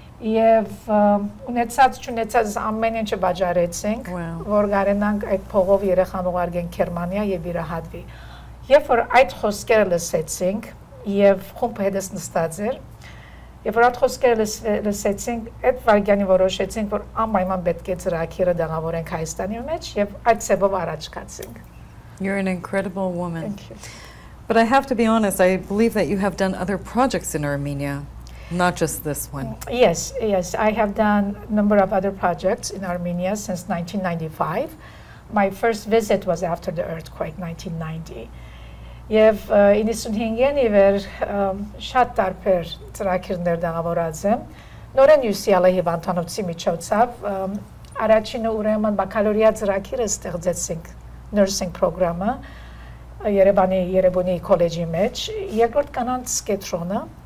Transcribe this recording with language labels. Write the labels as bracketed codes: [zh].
[hy] Եվ ունեցած չունեցած ամեն ինչը վաճառեցինք, որ գարենանք այդ փողով երեխան ուղարկենք Գերմանիա եւ իր հատվի։ Երբ որ այդ խոսքերը լսեցինք եւ խումբը հետս նստած էր, երբ որ այդ խոսքերը լսեցինք, այդ վայրկյանի որոշեցինք, որ անպայման պետք է ծրագիրը դեղավորենք Հայաստանի մեջ, և այդ ձևով առաջ գացինք։ [en] You're an incredible woman. Thank you. But I have to be honest, I believe that you have done other projects in Armenia, not just this one. Yes, yes, I have done a number of other projects in Armenia since 1995. My first visit was after the earthquake, 1990. [hy] Եվ 95-ին ի վեր շատ տարբեր ծրագիրներ դաղավորած եմ։ Նորեն UCL-ի հիվանդանոցի միջոցով առաջինը ուրեմն բակալորիա ծրագիրը ստեղծեցինք nursing program-ը Երևանի Երևանի քոլեջի մեջ, երկրորդ կանանց կետրոնը,